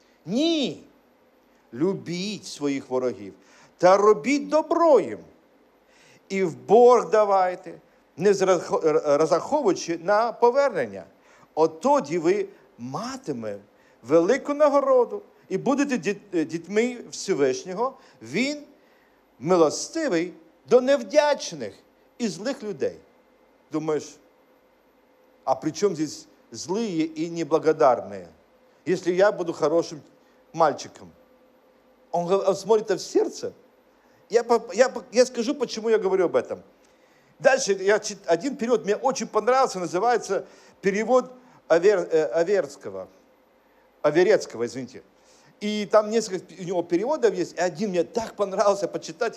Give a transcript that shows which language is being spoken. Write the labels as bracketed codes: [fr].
[uk] Не любить своих ворогов, та робить добро им. И в борг давайте, не разраховуючи на повернення. Оттоді ви матиме велику нагороду, і будете дітьми Всевишнього, він милостивий до невдячних і злих людей. Думаєш, а при чому [ru] здесь злые [uk] і неблагодарні, якщо я буду [ru] хорошим мальчиком? Он смотрит в серце. Я скажу, почему я говорю об этом. Дальше один перевод мне очень понравился, называется перевод Аверецкого, извините. И там несколько у него переводов есть. И один мне так понравился почитать.